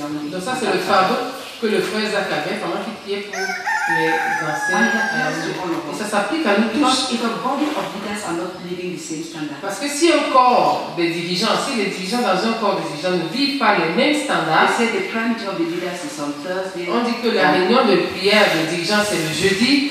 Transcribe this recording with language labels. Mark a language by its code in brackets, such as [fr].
[fr] Donc ça c'est le fardeau que le frère Zach avait pendant qu'il priait pour les anciens. Et ça s'applique à nous tous. [en] If a body of leaders are not living the same standard. [fr] Parce que si un corps des dirigeants, si les dirigeants dans un corps des dirigeants ne vivent pas les mêmes standards, [en] they say the prime job of the leaders is on Thursday. [fr] On dit que la réunion de prière des dirigeants c'est le jeudi.